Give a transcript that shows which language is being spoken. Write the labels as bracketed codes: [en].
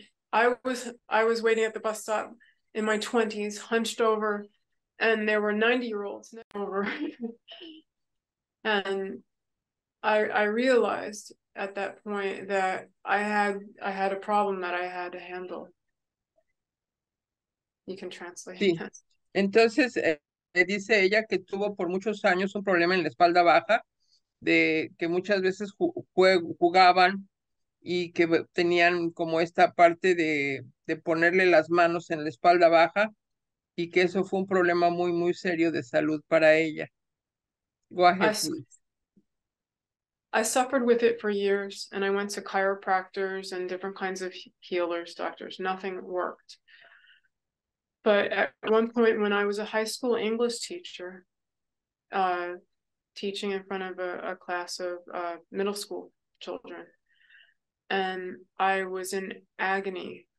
[en] Where I was waiting at the bus stop in my 20s, hunched over, and there were 90-year-olds over. And I realized at that point that I had a problem that I had to handle. You can translate. [es] Sí. Entonces, dice ella que tuvo por muchos años un problema en la espalda baja, de que muchas veces jugaban y que tenían como esta parte de ponerle las manos en la espalda baja, y que eso fue un problema muy, muy serio de salud para ella. [en] Go ahead, please. I suffered with it for years, and I went to chiropractors and different kinds of healers, doctors. Nothing worked. But at one point, when I was a high school English teacher, teaching in front of a class of middle school children, and I was in agony.